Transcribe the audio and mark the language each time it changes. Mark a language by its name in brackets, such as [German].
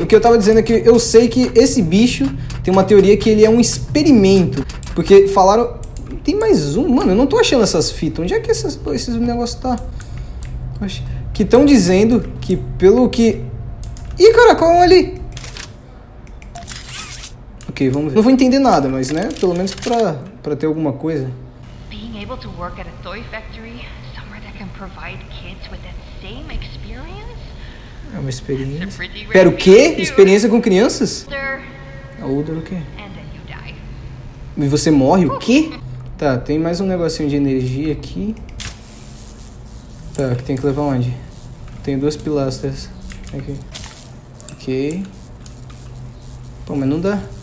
[Portuguese] O que eu tava dizendo é que eu sei que esse bicho tem uma teoria que ele é um experimento. Porque falaram... tem mais um? Mano, eu não tô achando essas fitas. Onde é que essas, pô, esses negócios tá? Que tão dizendo que pelo que... ih, caracol ali! Ok, vamos ver. Não vou entender nada, mas né, pelo menos pra ter alguma coisa. [English] Being able to work at a toy factory, somewhere that can provide kids with that same experience? [Portuguese] É uma experiência. Pera, o quê? Experiência com crianças? Older o quê? E você morre, o quê? Tá, tem mais um negocinho de energia aqui. Tá, que tem que levar onde? Tem duas pilastras. Aqui. Ok. Pô, mas não dá.